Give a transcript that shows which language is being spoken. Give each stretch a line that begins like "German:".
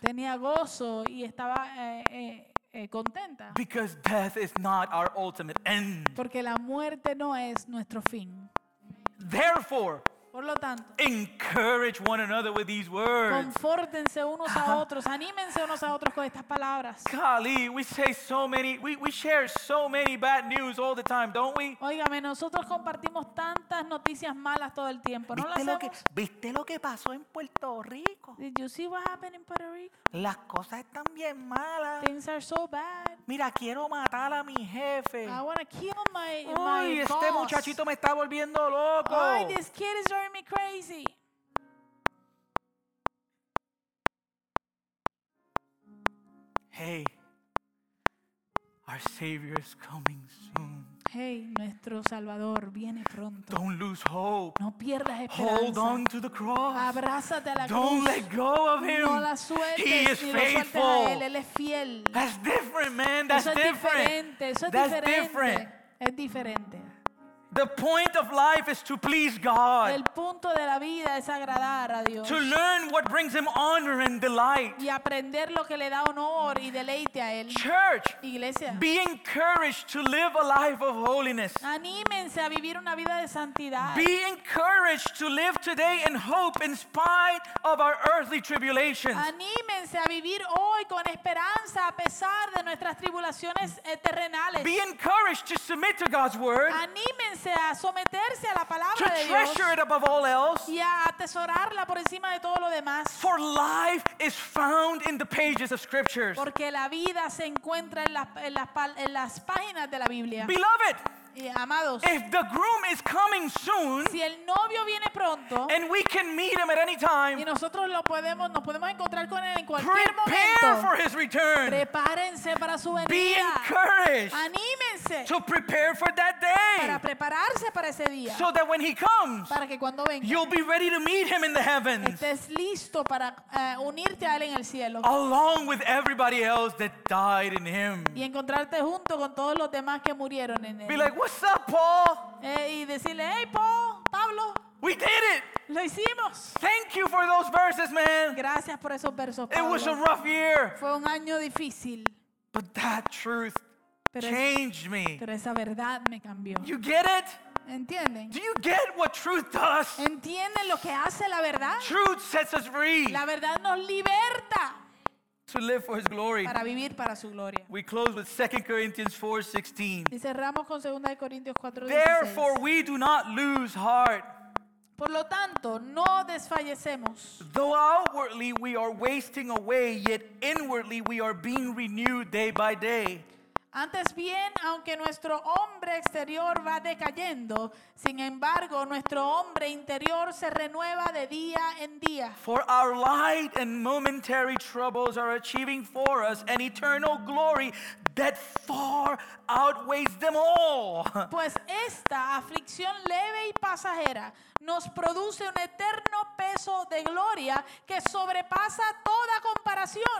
Spanish: Tenía gozo y estaba contenta.
English: Because death is not our ultimate end.
Spanish: Porque la muerte no es nuestro fin.
English: Therefore,
Spanish: Por lo tanto,
English: encourage one another with these words.
Spanish: Confórtense unos a otros, anímense unos a otros con estas palabras.
English: Golly, we say so many, we share so many bad news all the time, don't we?
Spanish: Óigame, nosotros compartimos tantas noticias malas todo el tiempo, ¿no lo hacemos? ¿Viste lo que pasó en Puerto Rico?
English: Did you see what happened in Puerto Rico?
Spanish: Las cosas están bien malas.
English: Things are so bad.
Spanish: Mira, quiero matar a mi jefe.
English: I want to kill my
Spanish: boss. Uy, este muchachito me está volviendo loco.
English: Ay, this kid is driving me crazy. Hey, our Savior is coming soon.
Spanish: Hey, nuestro Salvador viene pronto.
English: Don't lose hope.
Spanish: No pierdas esperanza.
English: Hold on to the cross.
Spanish: Abrázate a la
English: Don't Let go of him.
Spanish: No la sueltes.
English: He is
Spanish: ni
English: faithful.
Spanish: A él. Él es fiel.
English: That's different, man. That's different.
Spanish: Eso es diferente.
English: Different.
Spanish: Es diferente.
English: The point of life is to please God.
Spanish: El punto de la vida es agradar a Dios.
English: To learn what brings him honor and delight.
Spanish: Y aprender lo que le da honor y deleite a él.
English: Church,
Spanish: iglesia,
English: be encouraged to live a life of holiness.
Spanish: Anímense a vivir una vida de santidad.
English: Be encouraged to live today in hope in spite of our earthly tribulations.
Spanish: Anímense a vivir hoy con esperanza a pesar de nuestras tribulaciones terrenales.
English: Be encouraged to submit to God's word.
Spanish: Anímense a someterse a la palabra
English: to
Spanish: de Dios,
English: treasure it above all else,
Spanish: y a atesorarla por encima de todo lo demás.
English: For life is found in the pages of scriptures.
Spanish: Porque la vida se encuentra en las páginas de la Biblia.
English: Beloved,
Spanish: amados,
English: if the groom is coming soon,
Spanish: si el novio viene pronto,
English: and we can meet him at any time,
Spanish: y nosotros nos podemos encontrar con él en cualquier
English: prepare
Spanish: momento.
English: Prepare for his return.
Spanish: Prepárense para su venida.
English: Be encouraged.
Spanish: Anímense.
English: To prepare for that day.
Spanish: Para prepararse para ese día.
English: So that when he comes,
Spanish: para que cuando venga,
English: you'll be ready to meet him in the heavens.
Spanish: Estés listo para unirte a él en el cielo.
English: Along with everybody else that died in him.
Spanish: Y encontrarte junto con todos los demás que murieron en él.
English: What's up, Paul?
Spanish: Y decirle, hey, Paul, Pablo.
English: We did it.
Spanish: Lo hicimos.
English: Thank you for those verses, man.
Spanish: Gracias por esos versos, Pablo.
English: It was a rough year.
Spanish: Fue un año difícil.
English: But that truth changed me.
Spanish: Pero esa verdad me cambió.
English: You get it?
Spanish: ¿Entienden?
English: Do you get what truth does?
Spanish: ¿Entienden lo que hace la verdad?
English: Truth sets us free.
Spanish: La verdad nos liberta.
English: To live for his glory.
Spanish: Para vivir para su gloria.
English: We close with 2 Corinthians 4:16.
Spanish: Y cerramos con 2 Corintios 4:16.
English: Therefore we do not lose heart.
Spanish: Por lo tanto, no desfallecemos.
English: Though outwardly we are wasting away, yet inwardly we are being renewed day by day.
Spanish: Antes bien, aunque nuestro hombre exterior va decayendo, sin embargo, nuestro hombre interior se renueva de día en día.
English: For our light and momentary troubles are achieving for us an eternal glory that far outweighs them all.
Spanish: Pues esta aflicción leve y pasajera nos produce un eterno peso de gloria que sobrepasa toda comparación.